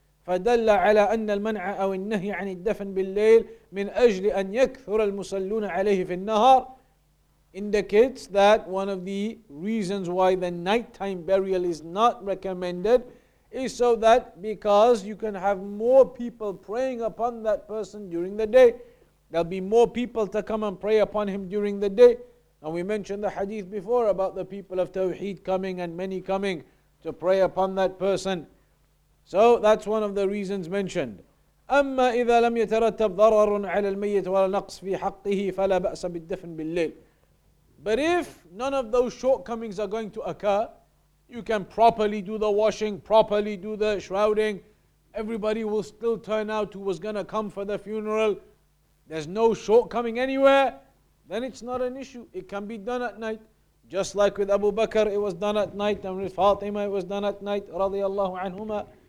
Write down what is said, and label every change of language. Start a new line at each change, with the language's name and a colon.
Arabic: فدل على أن المنع أو النهي عن الدفن بالليل من أجل أن يكثر المصلون عليه في النهار
English: indicates that one of the reasons why the nighttime burial is not recommended is so that because you can have more people praying upon that person during the day, there'll be more people to come and pray upon him during the day. Now we mentioned the hadith before about the people of Tawheed coming and many coming to pray upon that person. So that's one of the reasons mentioned.
Arabic: أما إذا لم يترتب ضرر على الميت ولا نقص في حقه فلا بأس بالدفن بالليل.
English: But if none of those shortcomings are going to occur, you can properly do the washing, properly do the shrouding, everybody will still turn out who was going to come for the funeral, there's no shortcoming anywhere, then it's not an issue. It can be done at night. Just like with Abu Bakr, it was done at night, and with Fatima, it was done at night, radiallahu anhuma.